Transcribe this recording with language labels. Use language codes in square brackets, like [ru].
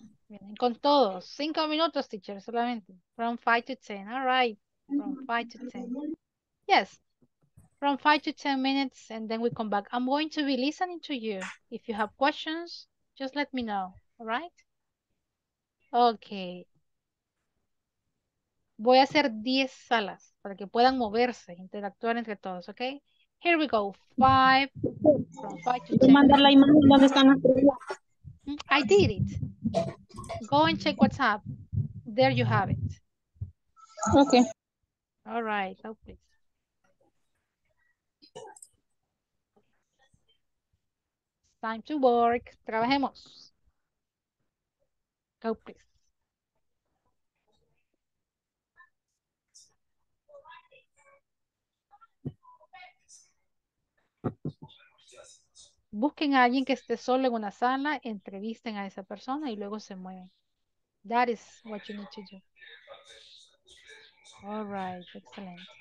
[es] Vienen con todos, 5 minutos, teacher, solamente. [en] From 5 to 10. All right. From 5 to 10. Yes. From 5 to 10 minutes, and then we come back. I'm going to be listening to you. If you have questions, just let me know. All right? Okay. [es] Voy a hacer 10 salas para que puedan moverse, interactuar entre todos, ¿ok? [en] Here we go. 5 to 10. [es] Mandar la imagen donde están las preguntas. [en] I did it. Go and check WhatsApp. There you have it. Okay. All right. Oh, please. Time to work. [es] Trabajemos. [en] Go, please. [es] Busquen a alguien que esté solo en una sala, entrevisten a esa persona y luego se mueven. [en] That is what you need to do. All right, excellent.